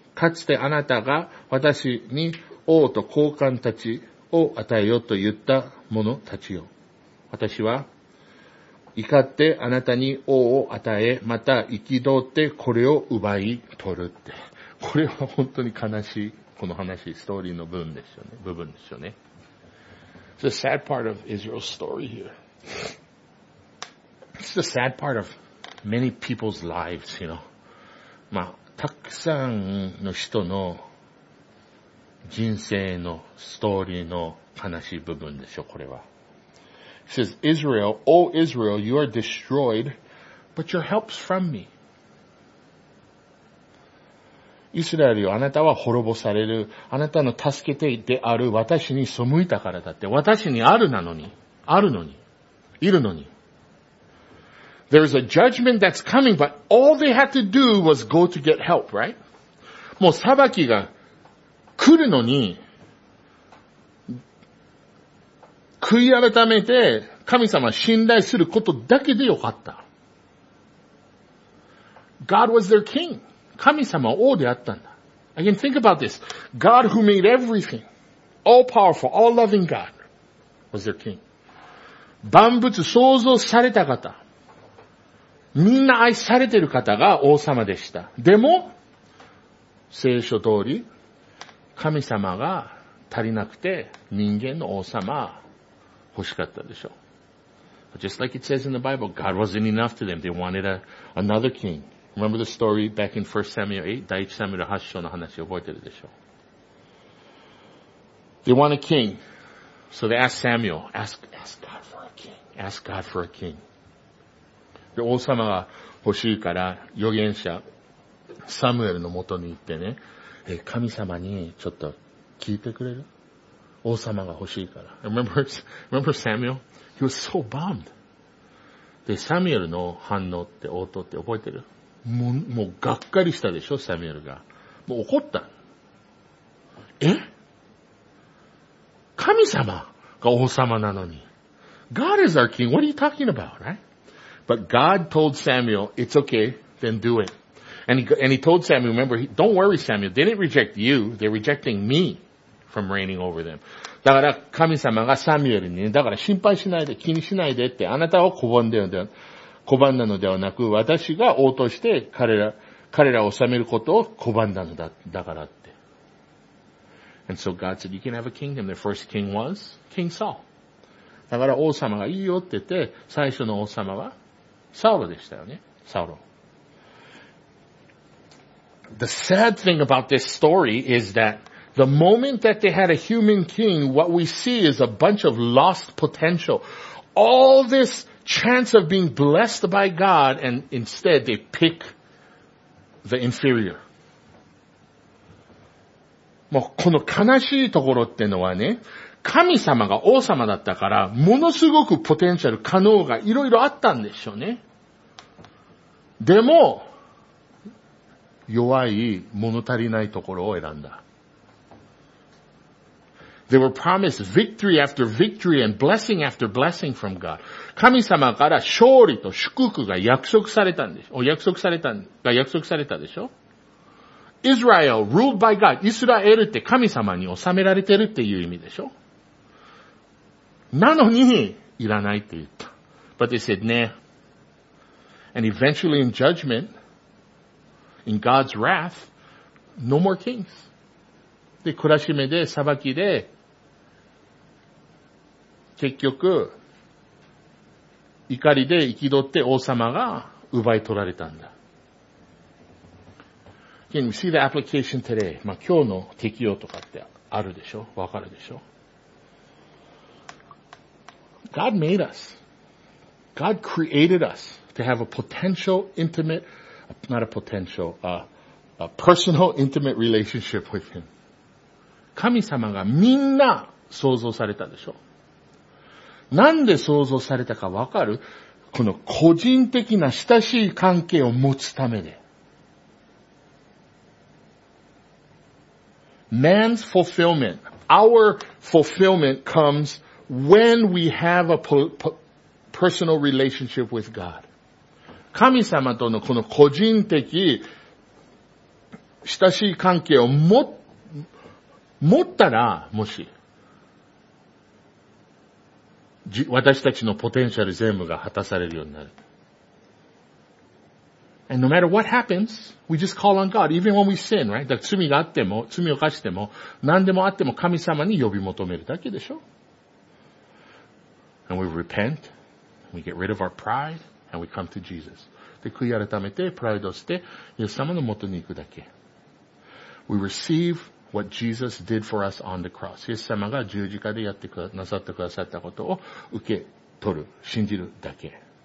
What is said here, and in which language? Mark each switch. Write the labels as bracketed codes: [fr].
[ja] かつてあなたが私に王と高官たちを与えよと言った者たちよ。私は怒ってあなたに王を与え、また憤ってこれを奪い取るって。これは本当に悲しい、この話、ストーリーの文ですよね、部分ですよね。 [en] It's the sad part of Israel's story here. It's the sad part of many people's lives, you know. [ja] まあ、たくさんの人の人生のストーリーの悲しい部分でしょ、これは。 [en] He says, Israel, O Israel, you are destroyed, but your help's from me. [ja] Israel, あなたは滅ぼされる。あなたの助け手である私に背いたからだって。私にあるなのに。あるのに。いるのに。 [en] There is a judgment that's coming, but all they had to do was go to get help, right? [ja] もう裁きが来るのに、悔い改めて神様を信頼することだけでよかった。 [en] God was their king. [ja] 神様は王であったんだ。 [en] Again, think about this. God who made everything. All-powerful, all-loving God was their king. [ja] 万物創造された方。みんな愛されている方が王様でした。でも、聖書通り、神様が足りなくて人間の王様欲しかったでしょ。 [en] Just like it says in the Bible, God wasn't enough to them. They wanted another king. Remember the story back in 1 Samuel 8? 第1サムエル8章の話覚えてるでしょ。 They want a king. So they ask Samuel, ask God for a king. Ask God for a king. [ja] で、王様が欲しいから、預言者、サムエルの元に行ってね、神様にちょっと聞いてくれる？王様が欲しいから。 [en] Remember Samuel? He was so bummed. [ja] で、サミュエルの反応って応答って覚えてる？もうがっかりしたでしょ、サミュエルが。もう怒った。え？神様が王様なのに。 [en] God is our king. What are you talking about, right? But God told Samuel, it's okay, then do it. And he told Samuel, remember, don't worry, Samuel. They didn't reject you. They're rejecting me from reigning over them. [ja] だから神様がサミュエルに、だから心配しないで、気にしないでって、あなたを拒んだのではなく、私が王として彼らを治めることを拒んだのだ、だからって。 [en] And so God said, you can have a kingdom. The first king was King Saul. [ja] だから王様がいいよって言って、最初の王様はサウロでしたよね。サウロ。 [en] The sad thing about this story is that the moment that they had a human king, what we see is a bunch of lost potential. All this chance of being blessed by God, and instead they pick the inferior. [ja] もうこの悲しいところってのはね、神様が王様だったから、ものすごくポテンシャル、可能がいろいろあったんでしょうね。でも、弱い、物足りないところを選んだ。 [en] They were promised victory after victory and blessing after blessing from God. [ja] 神様から勝利と祝福が約束されたんでしょ。約束された、が約束されたでしょ。 [en] Israel, ruled by God. [ja] イスラエルって神様に治められてるっていう意味でしょ？なのに、いらないって言った。 [en] But they said, nah. And eventually in judgment, in God's wrath, no more kings. [ja] で、懲らしめで、裁きで、結局、怒りで憤って王様が奪い取られたんだ。 [en] Can you see the application today? [ja] まあ、今日の適用とかってあるでしょ？わかるでしょ？ [en] God made us. God created us to have a potential intimate, not a potential, a personal intimate relationship with Him. [ja] 神様がみんな創造されたでしょ？なんで創造されたかわかる？この個人的な親しい関係を持つためで。 [en] Man's fulfillment, our fulfillment comes when we have a personal relationship with God. [ja] 神様とのこの個人的親しい関係を持ったら、もし、私たちのポテンシャル全部が果たされるようになる。 [en] And no matter what happens, we just call on God, even when we sin, right? [ja] だから罪があっても、罪を犯しても、何でもあっても神様に呼び求めるだけでしょ。 [en] And we repent, we get rid of our pride, and we come to Jesus. [ja] で、悔い改めて、プライドを捨て、イエス様の元に行くだけ。 [en] We receive what Jesus did for us on the cross. [ja] イエス様が十字架でやってくなさってくださったことを受け取る、信じるだけ。